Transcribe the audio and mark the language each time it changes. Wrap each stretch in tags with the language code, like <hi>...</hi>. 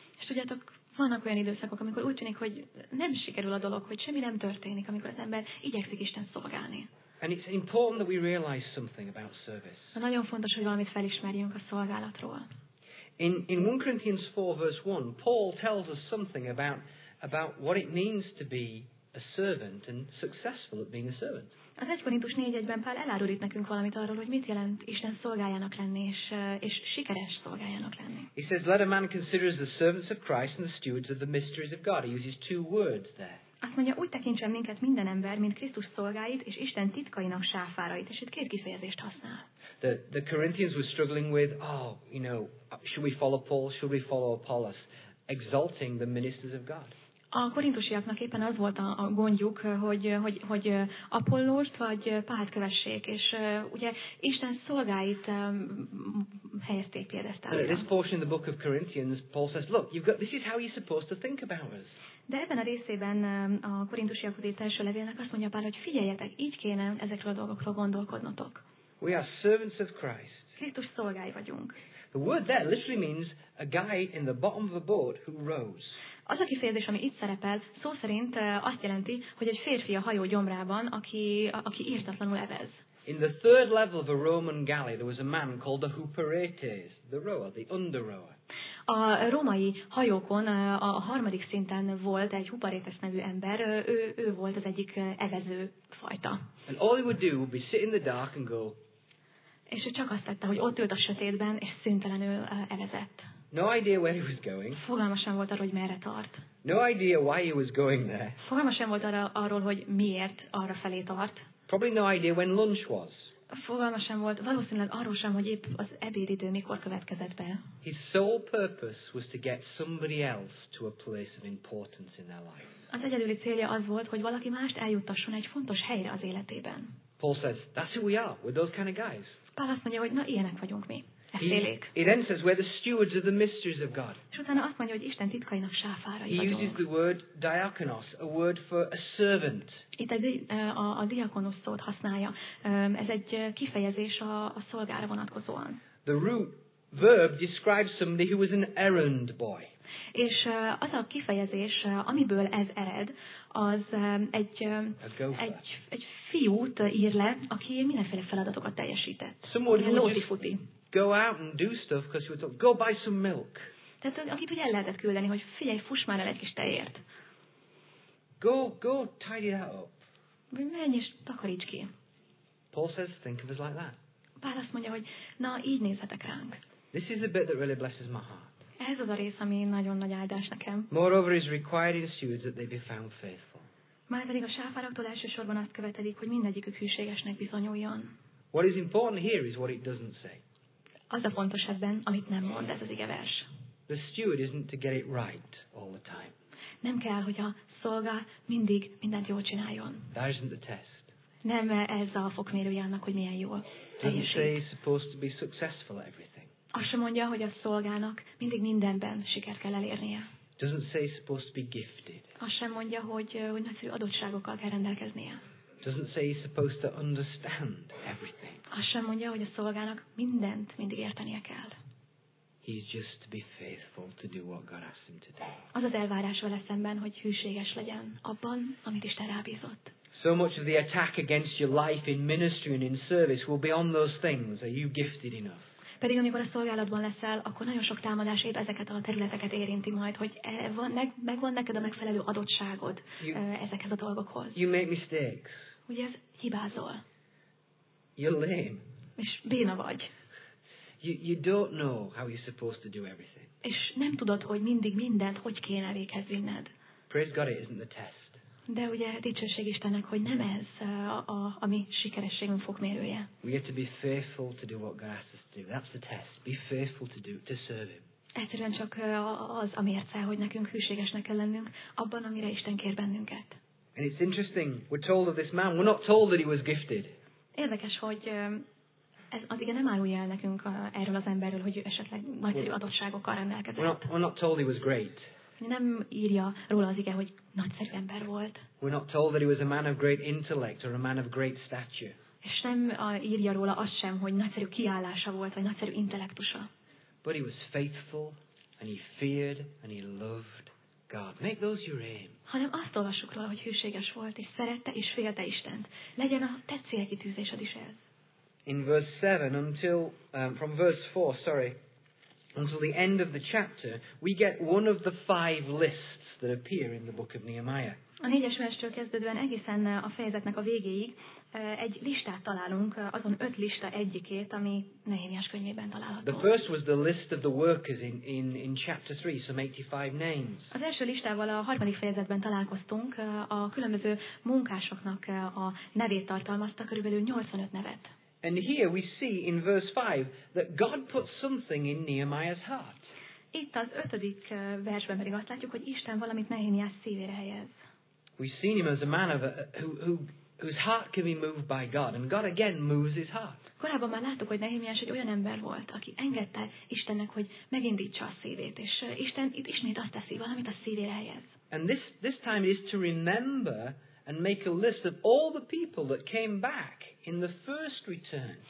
<hu>És tudjátok, vannak olyan időszakok, amikor úgy tűnik, hogy nem sikerül a dolog, hogy semmi nem történik, amikor az ember igyekszik Isten szolgálni.</hu> <en>And it's important that we realize something about service.</en> <hu>Nagyon fontos, hogy valamit felismerjünk a szolgálatról.</hu> <en>In 1 Corinthians 4 verse 1, Paul tells us something about what it means to be a servant and successful at being a servant.</en> <hu>Az 1 Korintus 4:1-ben Pál elárul itt nekünk valamit arról, hogy mit jelent Isten szolgájának lenni, és sikeres szolgájának lenni.</hu> <en>He says, let a man consider as the servants of Christ and the stewards of the mysteries of God. He uses two words there.</en> <hu>Azt mondja, úgy tekintsen minket minden ember, mint Krisztus szolgáit és Isten titkainak sáfárait, és itt két kifejezést használ.</hu> <en>The Corinthians were struggling with, should we follow Paul, should we follow Apollos, exalting the ministers of God.</en> <hu>A korintusiaknak éppen az volt a gondjuk, hogy Apollóst vagy Pált kövessék, és ugye Isten szolgáit helyezték példát.</hu> <en>This portion of the book of Corinthians, Paul says, look, you've got, this is how you're supposed to think about us.</en> <hu>De ebben a részében a korintusiak első levélnek azt mondja Pál, hogy figyeljetek, így kéne ezekről a dolgokról gondolkodnotok.</hu> <en>We are servants of Christ.</en> <hu>Krisztus szolgái vagyunk.</hu> <en>The word there literally means a guy in the bottom of a boat who rows.</en> <hu>Az a kifejezés, ami itt szerepel, szó szerint azt jelenti, hogy egy férfi a hajó gyomrában, aki írtatlanul evez.</hu> <en>In the third level of a Roman galley, there was a man called the huperetes, the rower, the under rower.</en> <hu>A római hajókon a harmadik szinten volt egy huperetes nevű ember, ő volt az egyik evező fajta.</hu> <en>And all he would do would be sit in the dark and go.</en> <hu>És ő csak azt tette, hogy ott ült a sötétben, és szüntelenül evezett.</hu> <en>No idea where he was going.</en> <hu>Fogalma sem volt arról, hogy merre tart.</hu> <en>No idea why he was going there.</en> <hu>Fogalma sem volt arról, hogy miért arra felé tart.</hu> <en>Probably no idea when lunch was.</en> <hu>Fogalma sem volt, valószínűleg arról sem, hogy épp az ebédidő mikor következett be.</hu> <en>His sole purpose was to get somebody else to a place of importance in their life.</en> <hu>Az egyedüli célja az volt, hogy valaki mást eljuttasson egy fontos helyre az életében.</hu> <en>Paul says, that's who we are, we're those kind of guys.</en> <hu>Pál azt mondja, hogy na, ilyenek vagyunk mi.</hu> <en>He then says we're the stewards of the mysteries of God.</en> <hu>És utána azt mondja, hogy Isten titkainak sáfárai vagyunk.</hu> <en>He uses the word diakonos, a word for a servant.</en> <hu>Itt a diakonos szót használja. Ez egy kifejezés a szolgára vonatkozóan.</hu> <en>The root verb describes somebody who was an errand boy.</en> <hu>És az a kifejezés, amiből ez ered, az egy fiút ír le, aki mindenféle feladatokat teljesített.</hu> <en>Somebody who just go out and do stuff because you thought, go buy some milk.</en> <hu>Tehát akit ugye el lehetett küldeni, hogy figyelj, fuss már el egy kis tejért.</hu> <en>Go tidy that up.</en> <hu>Menj és takaríts ki.</hu> <en>Paul says, think of us like that.</en> <hu>Pál azt mondja, hogy na, így nézhetek ránk.</hu> <en>This is the bit that really blesses my heart.</en> <hu>Ez az a rész, ami nagyon nagy áldás nekem.</hu> <en>Moreover, is required in stewards that they be found faithful.</en> <hu>Már pedig a sáfároktól elsősorban azt követelik, hogy mindegyikük hűségesnek bizonyuljon.</hu> <en>What is important here is what it doesn't say.</en> <hu>Az a fontos ebben, amit nem mond ez az igevers.</hu> <en>The steward isn't to get it right all the time.</en> <hu>Nem kell, hogy a szolga mindig mindent jól csináljon.</hu> <en>That isn't the test.</en> <hu>Nem ez a fokmérője annak, hogy milyen jól.</hu> <en>Doesn't say he's supposed to be successful at everything.</en> <hu>Azt sem mondja, hogy a szolgának mindig mindenben sikert kell elérnie.</hu> <en>Doesn't say he's supposed to be gifted.</en> <hu>Azt sem mondja, hogy nagyszerű adottságokkal kell rendelkeznie.</hu> <en>Doesn't say he's supposed to understand everything.</en> <hu>Azt sem mondja, hogy a szolgának mindent mindig értenie kell.</hu> <en>He's just to be faithful to do what God asked him to do.</en> <hu>Az az elvárás vele szemben, hogy hűséges legyen abban, amit Isten rábízott.</hu> <en>So much of the attack against your life in ministry and in service will be on those things. Are you gifted enough?</en> <hu>Pedig amikor a szolgálatban leszel, akkor nagyon sok támadás épp ezeket a területeket érinti majd, hogy megvan neked a megfelelő adottságod ezekhez a dolgokhoz.</hu> <en>You make mistakes.</en> <hu>Ugye ez hibázol.</hu> <en>You're lame.</en> <hu>És béna vagy.</hu> <en>You don't know how you're supposed to do everything.</en> <hu>És nem tudod, hogy mindig mindent hogy kéne véghez vinned.</hu> <en>Praise God, it isn't the test.</en> <hu>De ugye dicsőség Istennek, hogy nem ez a mi sikerességünk fokmérője.</hu> <en>We have to be faithful to do what God asks us to do. That's the test. Be faithful to serve him.</en> <hu>Egyszerűen csak az a mérce, hogy nekünk hűségesnek kell lennünk abban, amire Isten kér bennünket.</hu> <en>And it's interesting, we're told of this man, we're not told that he was gifted.</en> <hu>Érdekes, hogy ez addig nem árulja el nekünk erről az emberről, hogy esetleg nagyszerű adottságokkal rendelkezett.</hu> <en>We're not told he was great.</en> <hu>Nem írja róla az ige, hogy nagyszerű ember volt.</hu> <en>We're not told that he was a man of great intellect or a man of great stature.</en> <hu>És nem írja róla azt sem, hogy nagyszerű kiállása volt, vagy nagyszerű intellektusa.</hu> <en>But he was faithful, and he feared, and he loved God. Make those your aim.</en> <hu>Hanem azt olvassuk róla, hogy hűséges volt, és szerette, és félte Istent. Legyen a te célkitűzésed is ez.</hu> <en>In verse 7, until, from verse 4, sorry, until the end of the chapter, we get one of the five lists that appear in the book of Nehemiah.</en> <hu>A négyes verstől kezdődően egészen a fejezetnek a végéig egy listát találunk, azon öt lista egyikét, ami Nehémiás könyvében található.</hu> <en>The first was the list of the workers in chapter 3, some 85 names.</en> <hu>Az első listával a harmadik fejezetben találkoztunk, a különböző munkásoknak a nevét tartalmazta, körülbelül 85 nevet.</hu> <en>And here we see in verse 5 that God put something in Nehemiah's heart.</en> <hu>Itt az ötödik versben pedig azt látjuk, hogy Isten valamit Nehémiás szívére helyez.</hu> <en>We've seen him as a man of who whose heart can be moved by God, and God again moves his heart.</en> <hu>Korábban már láttuk, hogy Nehémiás egy olyan ember volt, aki engedte Istennek, hogy megindítsa a szívét, és Isten itt ismét azt teszi, valamit a szívére helyez.</hu> <en>And this time is to remember and make a list of all the people that came back in the first return.</en>